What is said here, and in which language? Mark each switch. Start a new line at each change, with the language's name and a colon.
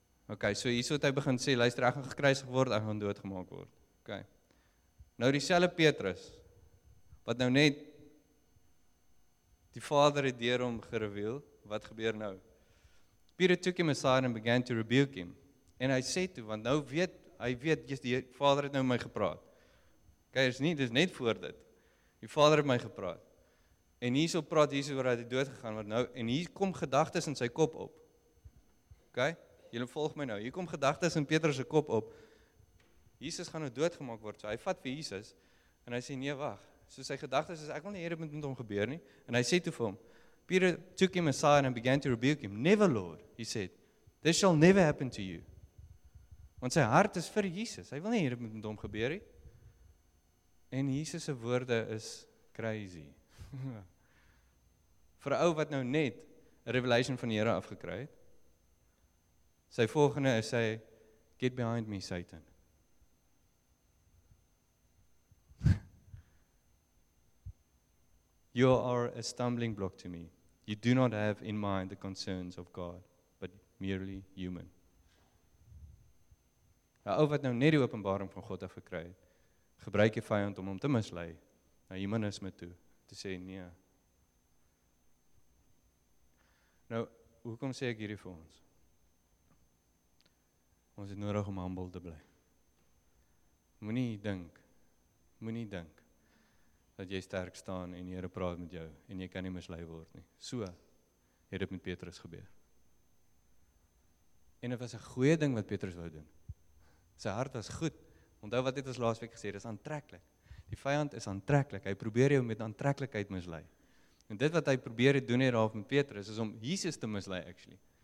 Afrikaans: Okay, so hier is wat hy begin sê, luister, ek gaan gekruisig word, ek gaan doodgemaak word. Okay. Nou dieselfde Petrus, wat nou net die Vader het deur hom gereveel, wat gebeur nou?
English: Peter took him aside and began to rebuke him.
Afrikaans: En hy sê toe, want nou weet, hy weet, jy, die Vader het nou my gepraat. Okay, dis net voor dit. Die Vader het my gepraat. En hier so praat Jesus oor hy het dood gegaan, want nou, en hier kom gedagtes in sy kop op. Okay, julle volg my nou. Hier kom gedagtes in Petrus se kop op. Jesus gaan nou doodgemaak word. So hy vat vir Jesus, en hy sê, nee, wag. So sy gedagtes is, ek wil nie hier met hom gebeur nie. En hy sê toe vir hom,
English: Peter took him aside and began to rebuke him. Never, Lord, he said, this shall never happen to you.
Afrikaans: Want sy hart is vir Jesus. Hy wil nie hier met hom gebeur nie. En Jesus se woorde is crazy. Vir 'n ou wat nou net 'n revelation van die Here afgekry het. Sy volgende is sy,
English: get behind me, Satan. You are a stumbling block to me. You do not have in mind the concerns of God, but merely human.
Afrikaans: Nou, ou wat nou net die openbaring van God afgekry het, gebruik jy vyand om hom te mislei, na humanisme toe, te sê nee. Nou, hoekom sê ek hierdie vir ons? Ons het nodig om humble te bly. Moenie dink, dat jy sterk staan en die Here praat met jou, en jy kan nie mislei word nie. So het dit met Petrus gebeur. En dit was 'n goeie ding wat Petrus wou doen. Sy hart was goed. Onthou wat het ons laas week gesê, dis aantreklik. Die vyand is aantreklik. Hy probeer jou met aantreklikheid mislei. En dit wat hy probeer het doen hier daar met Petrus, is om Jesus te mislei, actually.